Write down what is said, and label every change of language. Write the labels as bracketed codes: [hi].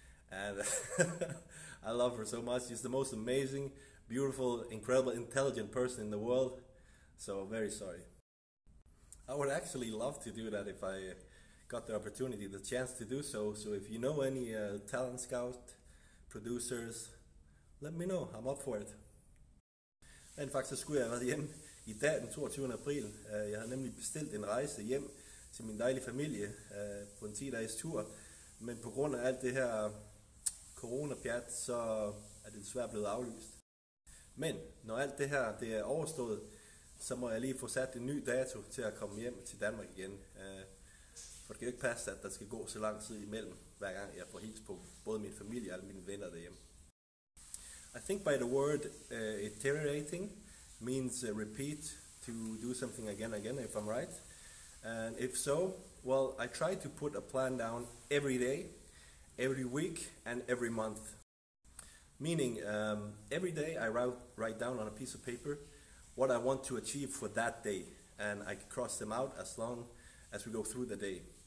[en] And I love her so much. She's the most amazing, beautiful, incredible, intelligent person in the world. So very sorry. I would actually love to do that if I got the opportunity, the chance to do so. So if you know any talent scout, producers, let me know. I'm up for it. [da] Men faktisk skulle jeg have været hjemme i dag den 22. april. Jeg havde nemlig bestilt en rejse hjem til min dejlige familie på en 10-dages tur. Men på grund af alt det her corona-pjat, så det desværre blevet aflyst. Men når alt det her det overstået, så må jeg lige få sat en ny dato til at komme hjem til Danmark igen. For det kan jo ikke passe, at der skal gå så lang tid imellem, hver gang jeg får hils på både min familie og alle mine venner derhjemme. [en] I think by the word iterating means repeat to do something again and again, if I'm right. And if so, well, I try to put a plan down every day, every week, and every month. Meaning, every day I write down on a piece of paper what I want to achieve for that day, and I cross them out as long as we go through the day.